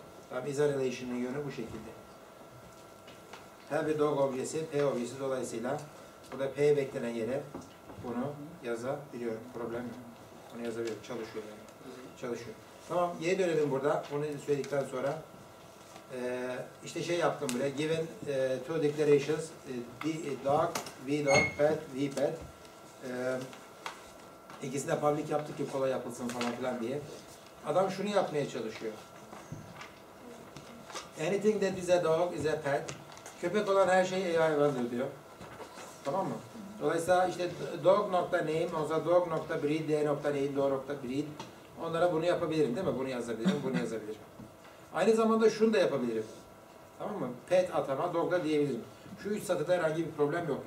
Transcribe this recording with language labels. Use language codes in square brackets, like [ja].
[tr] Tabi izah relation'ın yönü bu şekilde. Her bir dog objesi, P objesi dolayısıyla burada P beklenen yere bunu yazabiliyorum. Problem yok. Bunu yazabiliyorum. Çalışıyor yani. Çalışıyor. Tamam, Y dönelim burada. Bunu söyledikten sonra işte şey yaptım buraya. [en] Given two declarations. Dog, we dog, pet, we pet. [tr] İkisi de public yaptık ki kolay yapılsın falan filan diye. Adam şunu yapmaya çalışıyor. [en] Anything that is a dog is a pet. [tr] Köpek olan her şey hayvandır diyor. Tamam mı? Dolayısıyla işte dog.name olsa dog.breed, d.name, dog.breed. Onlara bunu yapabilirim değil mi? Bunu yazabilirim. Aynı zamanda şunu da yapabilirim. Tamam mı? Pet atama dogla diyebilirim. Şu üç satıda herhangi bir problem yok.